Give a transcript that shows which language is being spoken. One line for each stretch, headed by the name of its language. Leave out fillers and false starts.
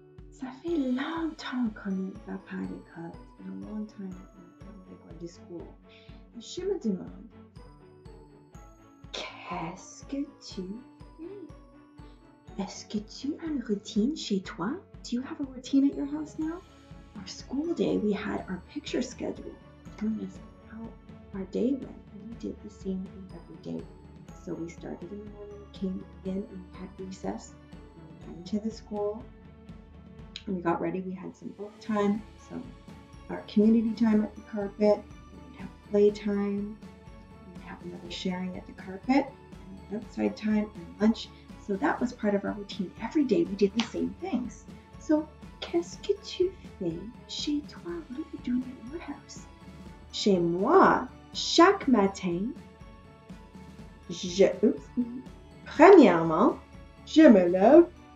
French: Ça fait longtemps qu'on ne va pas à l'école, Et je me demande, qu'est-ce que tu fais? Est-ce que tu as une routine chez toi?
English: Do you have a routine at your house now? Our school day, we had our picture schedule telling us how our day went, and we did the same thing every day. So we started in the morning, came in and had recess, went to the school, and we got ready. We had some book time, some our community time at the carpet, we'd have play time, we'd have another sharing at the carpet, and outside time and lunch. So that was part of our routine. Every day we did the same things. So,
French: qu'est-ce que tu fais chez toi?
English: What are you doing at your house?
French: Chez moi, chaque matin, Premièrement, je me lève.